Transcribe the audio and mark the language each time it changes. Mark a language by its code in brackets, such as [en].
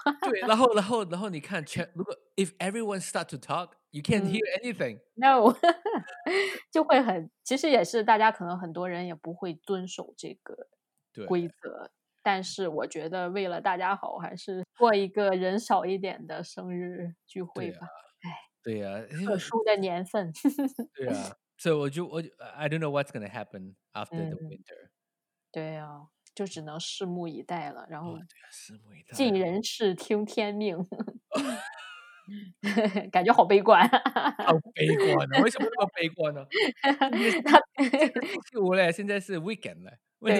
[zh] 对，然后你看全，如果 [en] if everyone start to talk， you can't hear anything。 [zh] No， 就会很，其实也是大家可能很多人也不会遵守这个规则，但是我觉得为了大家好，还是过一个人少一点的生日聚会吧。对啊，特殊的年份。对啊，所以我就 [en] I don't know what's gonna happen after the winter。 [zh] 对啊，就只能拭目以待了。然后，对啊，拭目以待，尽人事，听天命。感觉好悲观。好悲观啊！为什么那么悲观呢？他星期五了，现在是 weekend 了，对